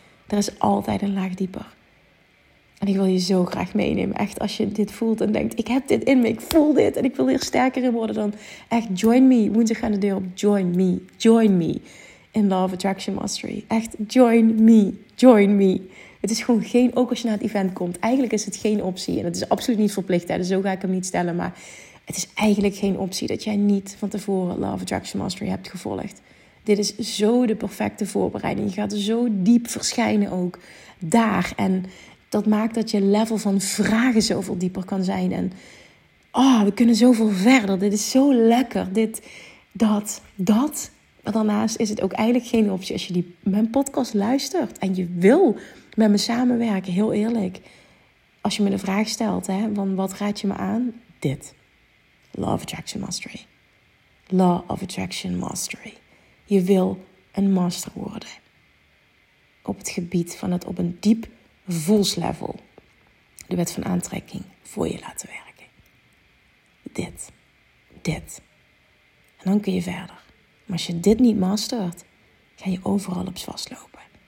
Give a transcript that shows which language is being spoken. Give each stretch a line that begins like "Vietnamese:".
Dutch: Er is altijd een laag dieper. En ik wil je zo graag meenemen. Echt, als je dit voelt en denkt, ik heb dit in me, ik voel dit en ik wil hier sterker in worden, dan echt
English: join me.
Dutch: Woensdag aan de deur op,
English: join me. Join me in Law of Attraction Mastery. Echt, join me. Join me.
Dutch: Het is gewoon geen, ook als je naar het event komt, eigenlijk is het geen optie. En het is absoluut niet verplicht, hè? Dus zo ga ik hem niet stellen. Maar het is eigenlijk geen optie dat jij niet van tevoren Law of Attraction Mastery hebt gevolgd. Dit is zo de perfecte voorbereiding. Je gaat zo diep verschijnen ook daar. En dat maakt dat je level van vragen zoveel dieper kan zijn. En oh, we kunnen zoveel verder. Dit is zo lekker. Dit, dat. Maar daarnaast is het ook eigenlijk geen optie als je mijn podcast luistert. En je wil met me samenwerken, heel eerlijk. Als je me de vraag stelt, hè, van wat raad je me aan? Dit.
English: Law of Attraction Mastery. Law of Attraction Mastery.
Dutch: Je wil een master worden. Op het gebied van het op een diep voelslevel de wet van aantrekking voor je laten werken. Dit. En dan kun je verder. Maar als je dit niet mastert, ga je overal op vastlopen.